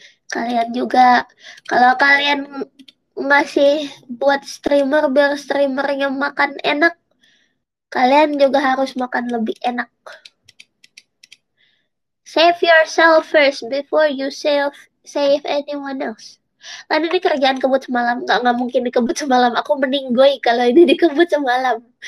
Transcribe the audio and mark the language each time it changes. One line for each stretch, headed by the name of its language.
Indonesian: Kalian juga, kalau kalian masih buat streamer biar streamernya makan enak, kalian juga harus makan lebih enak.
English: Save yourself first before you save anyone else.
Indonesian: Lalu ini kerjaan kebut semalam, nggak mungkin dikebut semalam. Aku meninggoy kalau ini dikebut semalam.